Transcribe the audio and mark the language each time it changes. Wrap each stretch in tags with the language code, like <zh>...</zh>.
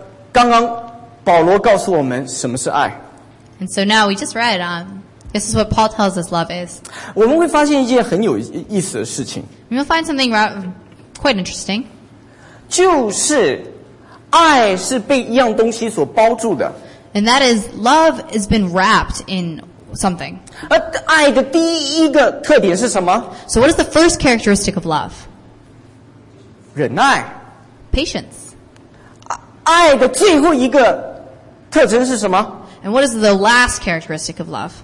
<zh>好,我们今天刚刚保罗告诉我们什么是爱。</zh> <en>And so now we just read, this is what Paul tells us love is.</en> <zh>我们会发现一件很有意思的事情。</zh> <en>We'll find something quite interesting.</en> <zh>就是爱是被一样东西所包住的。</zh> <en>And that is, love has been wrapped in something.</en> <zh>爱的第一个特点是什么?</zh> <en>So what is the first characteristic of love?</en> <zh>忍耐。</zh> <en>Patience.</en> <zh>爱的最后一个特征是什么?</zh> <en>And what is the last characteristic of love?</en>